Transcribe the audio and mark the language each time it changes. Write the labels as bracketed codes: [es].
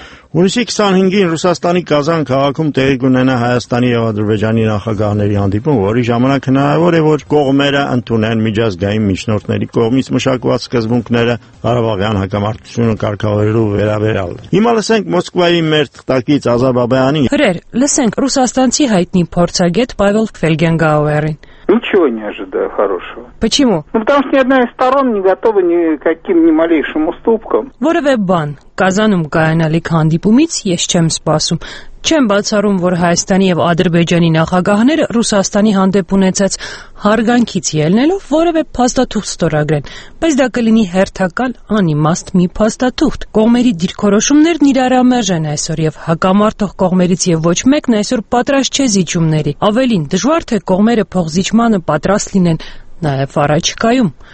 [hy] Հունիսի 25-ին Ռուսաստանի Կազան քաղաքում տեղի ունենա Հայաստանի եւ Ադրբեջանի նախագահների հանդիպում, որի ժամանակ հնարավոր է, որ կողմերը ընդունեն միջազգային միջնորդների կողմից մշակված սկզբունքները Ղարաբաղյան հակամարտությունը կարգավորելու վերաբերյալ։ Հիմա լսենք Մոսկվայի մեր թղթակից Ազա Բաբայանին։ Հրեր, լսենք ռուսաստանցի հայտնի փորձագետ Պավել Ֆելգենգաուերին։ [ru] Ничего не ожидаю хорошего. Почему? Ну, потому что ни одна из сторон не готова ни к каким ни малейшим уступкам. [hy] Որևէ բան, Կազանում կայանալիք հանդիպումից ես չեմ սպասում։ Չեմ բացառում, որ Հայաստանի եւ Ադրբեջանի նախագահները Ռուսաստանի հանդեպ ունեցած հարգանքից ելնելով որևէ փաստաթուղթ ստորագրեն, բայց դա կլինի հերթական անիմաստ մի փաստաթուղթ։ Կողմերի դիրքորոշումներն իրարամերժ են այսօր եւ հակամարտող կողմերից եւ ոչ մեկն այսօր պատրաստ չէ զիջումների։ Ավելին, դժվար թե կողմերը փոխզիջմանը պատրաստ լինեն նաեւ առաջկայում։